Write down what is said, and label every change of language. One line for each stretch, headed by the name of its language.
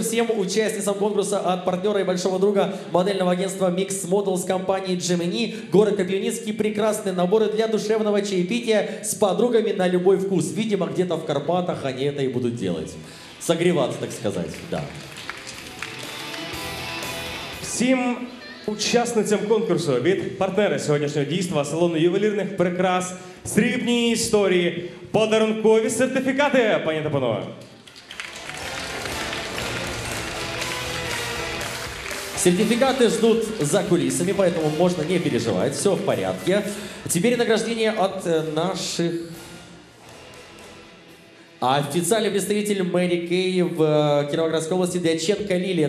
Russian: Всем участницам конкурса от партнера и большого друга модельного агентства Mix Models компании Gemini. Город Кропивницкий. Прекрасные наборы для душевного чаепития с подругами на любой вкус. Видимо, где-то в Карпатах они это и будут делать. Согреваться, так сказать. Да.
Ukrainian: Всем учасницям конкурсу від партнера сьогоднішнього дійства салону ювелірних прикрас «Срібні історії» подарункові сертифікати, пані та панове.
Russian: Сертификаты ждут за кулисами, поэтому можно не переживать. Все в порядке. Теперь награждение от наших официальный представитель Мэри Кей в Кировоградской области Дьяченко Лилия.